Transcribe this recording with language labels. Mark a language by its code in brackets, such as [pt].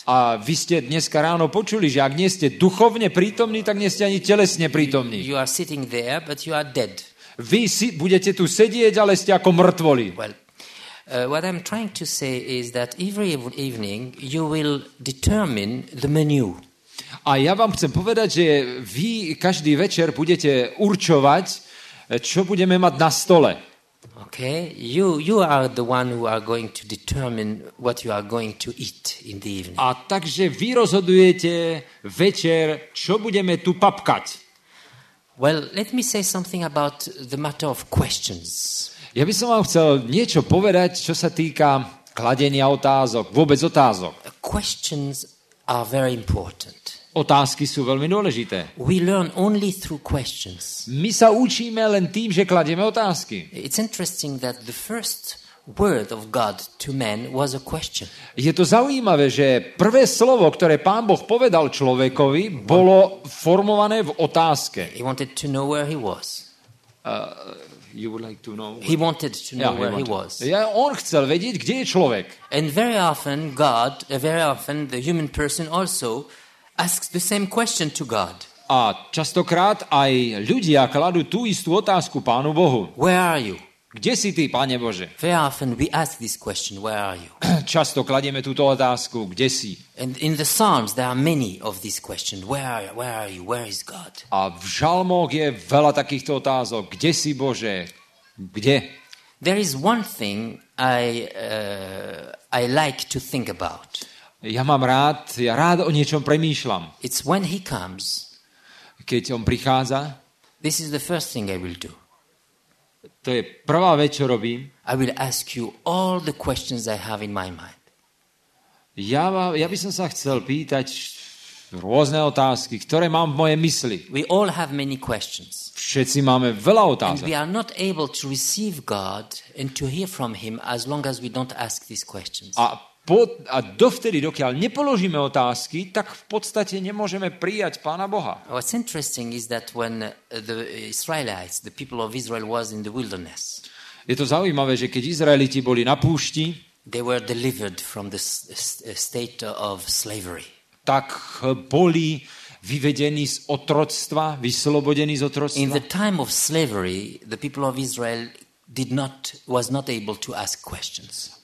[sk] A vy ste dneska ráno počuli, že ak nie ste duchovne prítomní, tak nie ste ani telesne prítomní. [en] You are sitting there, but you are dead. [sk] Vy si budete tu sedieť, ale ste ako mŕtvoli. [en] Well, what I'm trying to say is that every evening you will determine the menu. [sk] A ja vám chcem povedať, že vy každý večer budete určovať, čo budeme mať na stole. [en] Okay, you are the one who are going to determine what you are going to eat in the evening. [sk] A takže vy rozhodujete večer, čo budeme tu papkať. [en] Well, let me say something about the matter of questions. [sk] Ja by som vám chcel niečo povedať, čo sa týka kladenia otázok, vôbec otázok. [en] Questions are very important. [sk] Otázky sú veľmi dôležité. [en] We learn only through questions. [sk] My sa učíme len tým, že kladieme otázky. [en] It's interesting that the first word of God to man was a question. [sk] Je to zaujímavé, že prvé slovo, ktoré Pán Boh povedal človekovi, bolo formované v otázke. [en] He wanted to know where he was. You would like to know. He wanted to know where he was. [sk] Ja, on chcel vedieť, kde je človek. [en] And very often God, very often the human person also asks the same question to God. [sk] A častokrát aj ľudia kladú tú istú otázku Pánu Bohu. [en] Where are you? [sk] Kde si ty, Pane Bože? [en] Very often we ask this question, where are you? [sk] Často kladieme túto otázku, kde si? [en] And in the Psalms there are many of these questions, where are you, where is God? [sk] A v žalmoch je veľa takýchto otázok, kde si Bože, kde? [en] There is one thing I like to think about. [sk] Ja mám rád, ja rád o niečom premýšľam. [en] It's when he comes. [sk] Keď on prichádza. [en] This is the first thing I will do. [sk] To je prvá vec, čo robím. [en] I will ask you all the questions I have in my mind. [sk] Ja by som sa chcel pýtať rôzne otázky, ktoré mám v mojej mysli. [en] We all have many questions. [sk] Všetci máme veľa otázok. [en] And we are not able to receive God and to hear from him as long as we don't ask these questions. [sk] A dovtedy, dokiaľ nepoložíme otázky, tak v podstate nemôžeme prijať Pána Boha. [en] What's interesting is that when the Israelites, the people of Israel was in the wilderness. [sk] Je to zaujímavé, že keď Izraeliti boli na púšti, [en] they were delivered from the state of slavery. [sk] Tak boli vyvedení z otroctva, vyslobodení z otroctva. [en] In the time of slavery, the people of Israel was not able to ask questions.